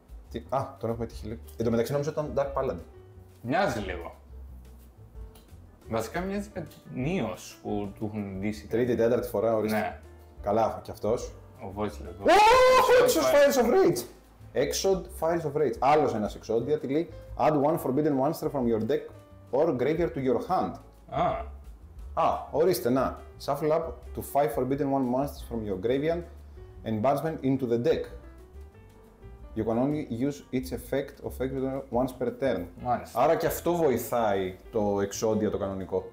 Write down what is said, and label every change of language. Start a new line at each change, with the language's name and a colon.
Greek: Τι, α, τον έχουμε τύχει λίγο. Εν τω μεταξύ νόμιζα ήταν Dark Paladin. Μοιάζει λίγο. Βασικά μοιάζει με Νίος που του έχουν ντύσει. Τρίτη, τέταρτη φορά, ορίστε. Ναι. Καλά, κι αυτός. Ο Voiceless.
English: Exod Fires of Rage! Exod Fires of Rage.
Greek: Άλλος ένας Exodia, τι λέει.
English: Add one forbidden monster from your deck or graveyard to your hand.
Greek: Α, ορίστε, να.
English: Shuffle up to 5 forbidden one monsters from your graveyard and banishment into the deck. You can only use each effect of Exodia once per turn.
Greek: Μάλιστα. Άρα και αυτό βοηθάει το Exodia το κανονικό.